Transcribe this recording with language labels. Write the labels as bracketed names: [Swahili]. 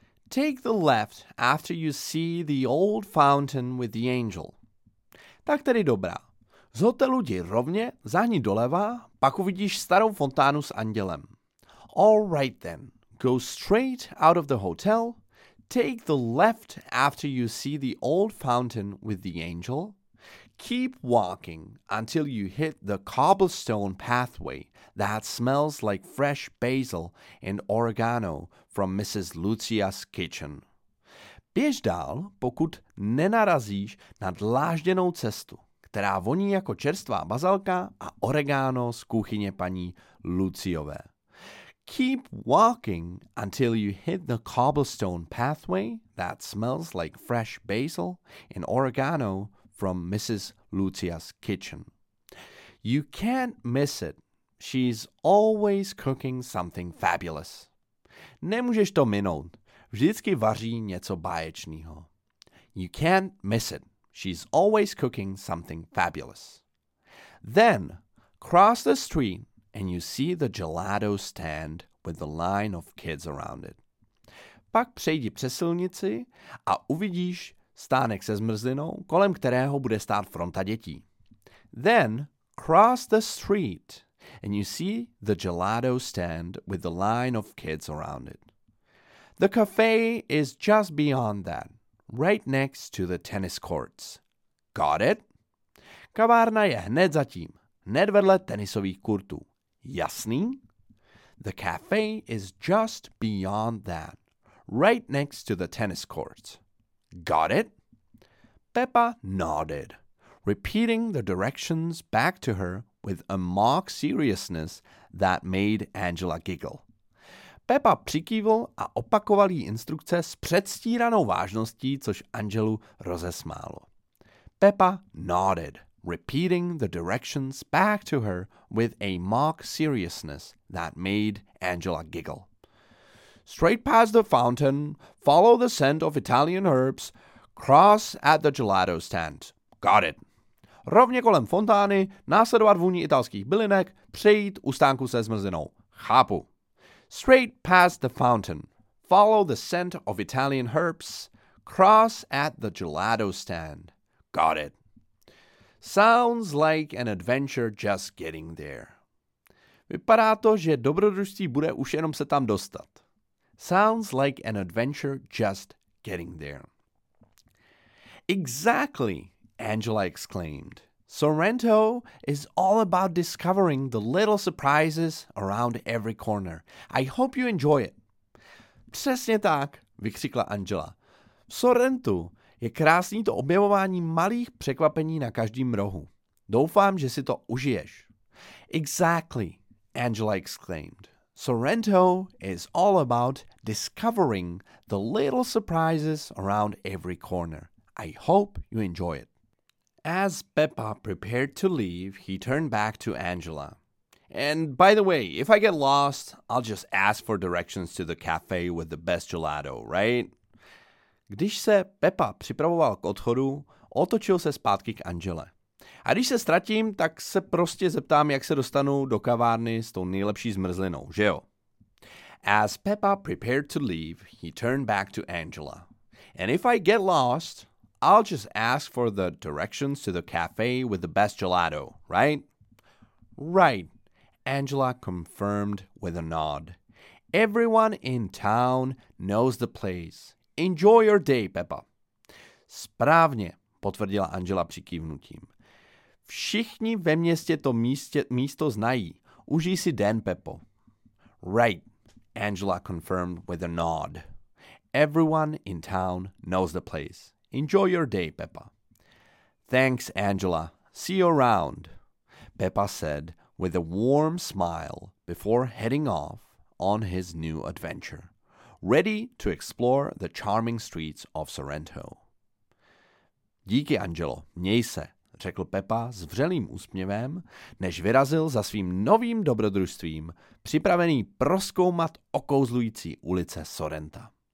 [English] Take the left after you see the old fountain with the angel. [Czech] Tak tedy dobrá. Z hotelu jdi rovně, zahni doleva, pak uvidíš starou fontánu s andělem. [English] All right then. Go straight out of the hotel. Take the left after you see the old fountain with the angel. Keep walking until you hit the cobblestone pathway that smells like fresh basil and oregano from Mrs. Lucia's kitchen. [Czech] Běž dál, pokud nenarazíš na dlážděnou cestu, která voní jako čerstvá bazalka a oregano z kuchyně paní Luciové. [English] Keep walking until you hit the cobblestone pathway that smells like fresh basil and oregano from Mrs. Lucia's kitchen. You can't miss it. She's always cooking something fabulous. [Czech] Nemůžeš to minout. Vždycky vaří něco báječného. [English] You can't miss it. She's always cooking something fabulous. Then, cross the street and you see the gelato stand with the line of kids around it. [Czech] Pak přejdi přes silnici a uvidíš stánek se zmrzlinou, kolem kterého bude stát fronta dětí. [English] Then, cross the street and you see the gelato stand with the line of kids around it. The cafe is just beyond that, right next to the tennis courts. Got it? [Czech] Kavárna je hned zatím, hned vedle tenisových kurtů. Jasný? [English] The cafe is just beyond that, right next to the tennis courts. Got it? Pepa nodded, repeating the directions back to her with a mock seriousness that made Angela giggle. [Czech] Pepa přikývl a opakoval jí instrukce s předstíranou vážností, což Angelu rozesmálo. [English] Pepa nodded, repeating the directions back to her with a mock seriousness that made Angela giggle. Straight past the fountain, follow the scent of Italian herbs, cross at the gelato stand. Got it. [Czech] Rovně kolem fontány, následovat vůni italských bylinek, přejít u stánku se zmrzlinou. Chápu. [English] Straight past the fountain, follow the scent of Italian herbs, cross at the gelato stand. Got it. Sounds like an adventure just getting there. [Czech] Vypadá to, že dobrodružství bude už jenom se tam dostat. [English] Sounds like an adventure just getting there. Exactly, Angela exclaimed. Sorrento is all about discovering the little surprises around every corner. I hope you enjoy it. [Czech] Přesně tak, vykřikla Angela. V Sorrentu je krásný to objevování malých překvapení na každém rohu. Doufám, že si to užiješ. [English] Exactly, Angela exclaimed. Sorrento is all about discovering the little surprises around every corner. I hope you enjoy it. As Peppa prepared to leave, he turned back to Angela. And by the way, if I get lost, I'll just ask for directions to the cafe with the best gelato, right? [Czech] Když se Peppa připravoval k odchodu, otočil se zpátky k Angele. A když se ztratím, tak se prostě zeptám, jak se dostanu do kavárny s tou nejlepší zmrzlinou, že jo? [English] As Peppa prepared to leave, he turned back to Angela. And if I get lost, I'll just ask for the directions to the cafe with the best gelato, right? Right, Angela confirmed with a nod. Everyone in town knows the place. Enjoy your day, Peppa. [Czech] Správně, potvrdila Angela přikývnutím. Všichni ve městě to místo znají. Užij si den, Peppo. [English] Right, Angela confirmed with a nod. Everyone in town knows the place. Enjoy your day, Peppa. Thanks, Angela. See you around, Peppa said with a warm smile before heading off on his new adventure, ready to explore the charming streets of Sorrento. [Czech] Díky, Angelo. Měj se, řekl Peppa s vřelým úsměvem, než vyrazil za svým novým dobrodružstvím, připravený prozkoumat okouzlující ulice Sorrenta.